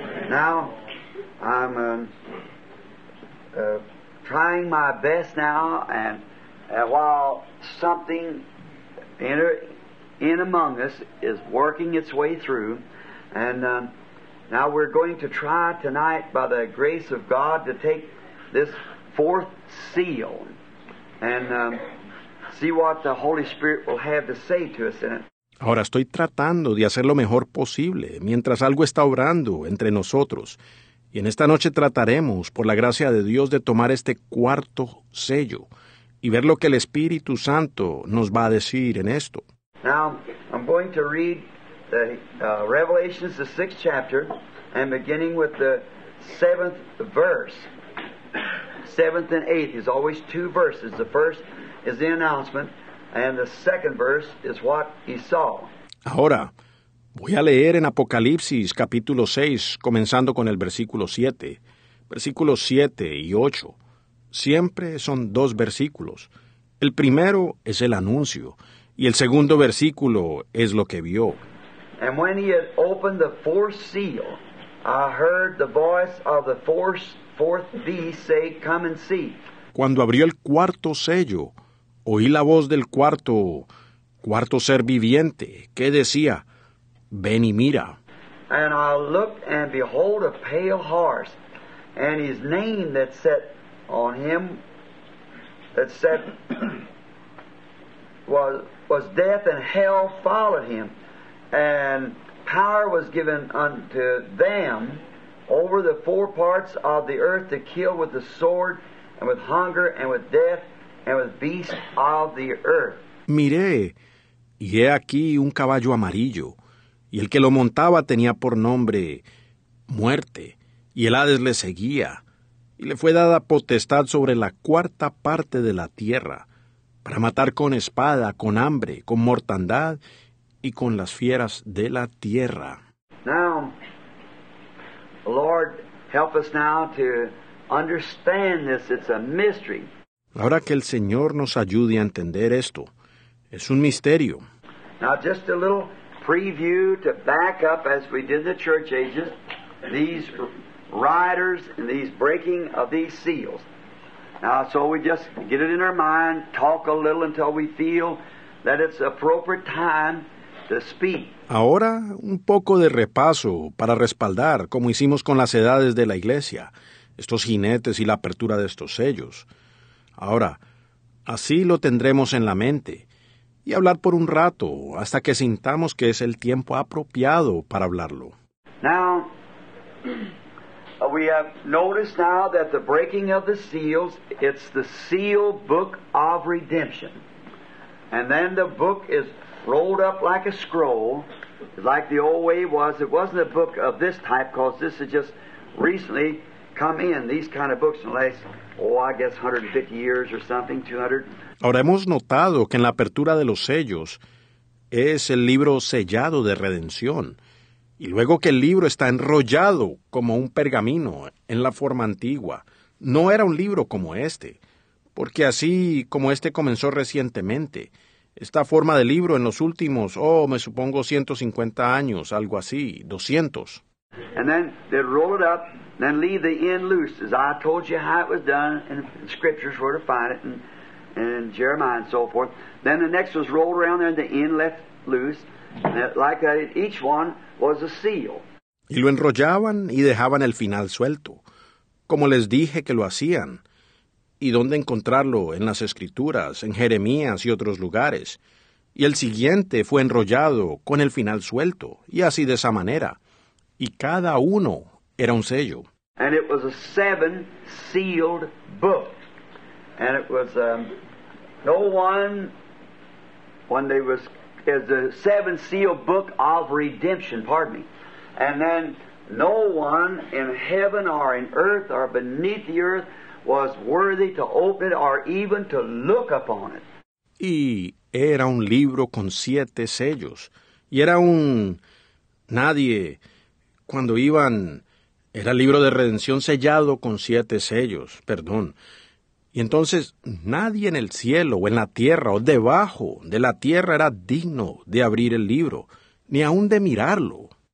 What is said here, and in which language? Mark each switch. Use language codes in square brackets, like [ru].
[en] Now, I'm trying my best now, and while something in among us is working its way through, and now we're going to try tonight by the grace of God to take this fourth seal and see what the Holy Spirit will have to say to us in it. [es] Ahora estoy tratando de hacer lo mejor posible mientras algo está obrando entre nosotros, y en esta noche trataremos, por la gracia de Dios, de tomar este cuarto sello y ver lo que el Espíritu Santo nos va a decir en esto. [en] Now, I'm going to read the Revelations, the 6th chapter, and beginning with the 7th verse. 7th and 8th is always 2 verses. The first is the announcement, and the 2nd verse is what he saw. [es] Ahora, voy a leer en Apocalipsis, capítulo 6, comenzando con el versículo 7. versículos 7 y 8, siempre son dos versículos. El primero es el anuncio, y el segundo versículo es lo que vio. [en] And when he had opened the fourth seal, I heard the voice of the fourth beast say, come and see. [es] Cuando abrió el cuarto sello, oí la voz del cuarto ser viviente, que decía, ven y mira. [en] And I looked, and behold, a pale horse, and his name that sat on him, that sat, was death, and hell followed him. And power was given unto them over the four parts of the earth to kill with the sword, and with hunger, and with death, and with beasts of the earth. [es] Miré, y he aquí un caballo amarillo, y el que lo montaba tenía por nombre Muerte, y el Hades le seguía, y le fue dada potestad sobre la cuarta parte de la tierra, para matar con espada, con hambre, con mortandad, y con las fieras de la tierra. [en] Now, Lord, help us now to understand this. It's a mystery. [es] Ahora que el Señor nos ayude a entender esto, es un misterio. [en] Now, just a little preview to back up as we did the church ages, these riders and these breaking of these seals. Now, so we just get it in our mind, talk a little until we feel that it's appropriate time to speak. [es] Ahora, un poco de repaso para respaldar, como hicimos con las edades de la iglesia, estos jinetes y la apertura de estos sellos. Ahora, así lo tendremos en la mente, y hablar por un rato, hasta que sintamos que es el tiempo apropiado para hablarlo. [en] Now, we have noticed now that the breaking of the seals, it's the seal book of redemption. And then the book is rolled up like a scroll, like the old way was. It wasn't a book of this type, because this is just recently come in, these kind of books in the last, oh, I guess 150 years or something, 200. [es] Ahora hemos notado que en la apertura de los sellos es el libro sellado de redención, y luego que el libro está enrollado como un pergamino en la forma antigua. No era un libro como este, porque así como este comenzó recientemente, esta forma de libro en los últimos, oh, me supongo 150 años, algo así, 200. [en] And then they roll it up. Then leave the end loose, as I told you how it was done in the scriptures, where to find it, and Jeremiah and so forth. Then the next was rolled around there, and the end left loose, and it, like that. Each one was a seal. [es] Y lo enrollaban y dejaban el final suelto, como les dije que lo hacían. ¿Y dónde encontrarlo? En las escrituras, en Jeremías y otros lugares. Y el siguiente fue enrollado con el final suelto, y así de esa manera. Y cada uno era un sello. [en] And it was a seven sealed book. And it was no one when they was is a seven sealed book of redemption, pardon me. And then no one in heaven or in earth or beneath the earth was worthy to open it or even to look upon it. [es] Y era un libro con siete sellos. Y era un nadie cuando iban. Era el libro de redención sellado con siete sellos, perdón. Y entonces, nadie en el cielo, o en la tierra, o debajo de la tierra era digno de abrir el libro, ni aun de mirarlo.